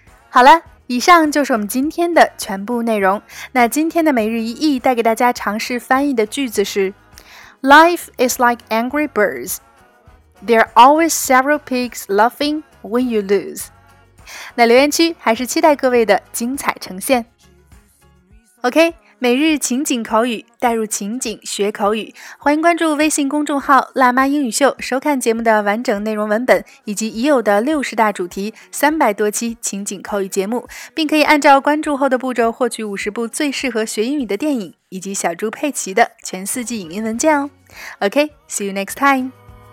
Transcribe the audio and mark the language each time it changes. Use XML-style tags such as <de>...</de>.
<zh>好了。以上就是我们今天的全部内容。那今天的每日一译带给大家尝试翻译的句子是</zh> <en>Life is like angry birds. There are always several pigs laughing when you lose.</en> <zh>那留言区还是期待各位的精彩呈现。OK， 每日情景口语，带入情景学口语，欢迎关注微信公众号辣妈英语秀，收看节目的完整内容文本以及已有的60大主题、300多期情景口语节目，并可以按照关注后的步骤获取50部最适合学英语的电影以及小猪佩奇的全4季影音文件哦。</zh> <en>OK， see you next time.</en>